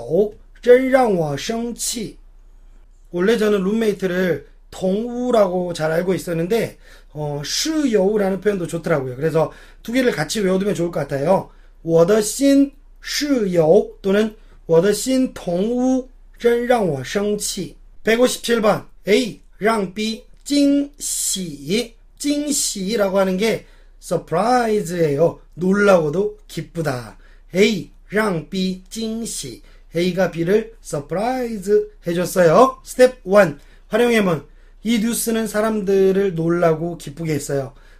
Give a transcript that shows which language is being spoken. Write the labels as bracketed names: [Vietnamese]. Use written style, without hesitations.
[Chinese] 我的新室友真让我生气. [Korean] 원래 저는 룸메이트를 동우라고 잘 알고 있었는데, 室友라는 표현도 좋더라고요. 그래서 두 개를 같이 외워두면 좋을 것 같아요. [Chinese] 我的新室友 또는 我的新同屋真让我生气. 157번 A 让 B 惊喜. [Korean] 惊喜라고 하는 게 서프라이즈예요. 놀라고도 기쁘다. [Chinese] A 让 B 惊喜. [Korean] A가 B를 서프라이즈 해줬어요. 스텝 1. 활용해보면 이 뉴스는 사람들을 놀라고 기쁘게 했어요.